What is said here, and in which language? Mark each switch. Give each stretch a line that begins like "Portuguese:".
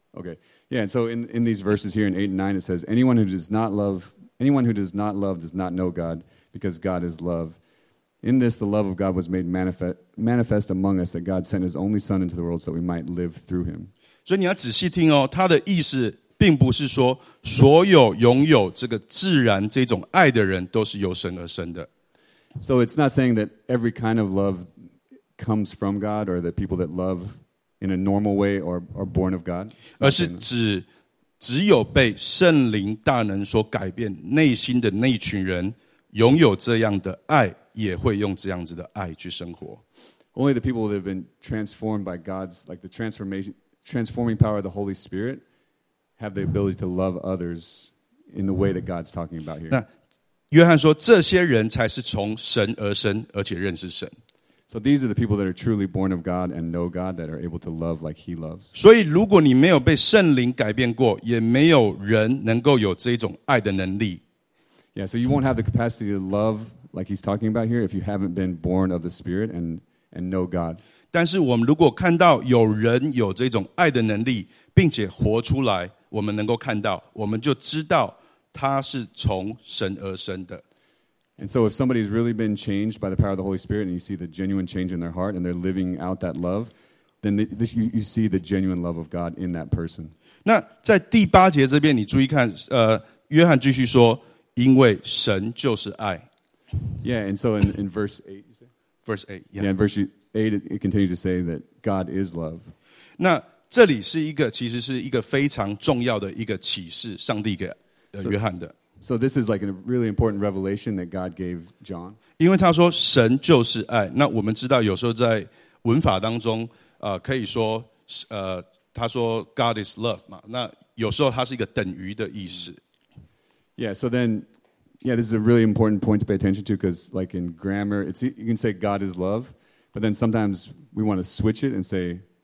English: Okay, yeah, and so in these verses here in 8 and 9, it says, Anyone who does not love does not know God, because God is love. In this, the love of God was made manifest among us, that God sent his only Son into the world so we might live through him.
Chinese: 所以你要仔细听哦，他的意思并不是说所有拥有这个自然这种爱的人都是由神而生的。
English: So it's not saying that every kind of love comes from God, or that people that love in a normal way are born of God.
Chinese: 而是只有被圣灵大能所改变内心的那群人，拥有这样的爱，也会用这样子的爱去生活。
English: Only the people that have been transformed by God's, like the transforming power of the Holy Spirit, have the ability to love others in the way that God's talking about here.
Chinese: 约翰说，这些人才是从神而生，而且认识神。
English: So these are the people that are truly born of God and know God, that are able to love like he loves.
Chinese: 所以如果你没有被圣灵改变过，也没有人能够有这种爱的能力。
English: Yeah, so you won't have the capacity to love like he's talking about here if you haven't been born of the Spirit and know God.
Chinese: 但是我们如果看到有人有这种爱的能力，并且活出来，我们能够看到，我们就知道他是从神而生的。
English: And so if somebody's really been changed by the power of the Holy Spirit and you see the genuine change in their heart and they're living out that love, then you see the genuine love of God in that person.
Chinese: 那在第八节这边你注意看，约翰继续说，因为神就是爱。
English: Yeah, and so in verse 8, you say? Verse 8, yeah. Yeah, in verse 8, it continues to say that God is love.
Chinese: 那这里是一个，其实是一个非常重要的一个启示，上帝给约翰的。
English: So this is like a really important revelation that God gave John.
Chinese: 因为他说神就是爱，那我们知道有时候在文法当中，可以说，他说
English: God is love
Chinese: 嘛，那有时候它是一个等于的意思。
English: Yeah, so then, yeah, this is a really important point to pay attention to because, like in grammar, you can say God is love, but then sometimes we want to switch it and say.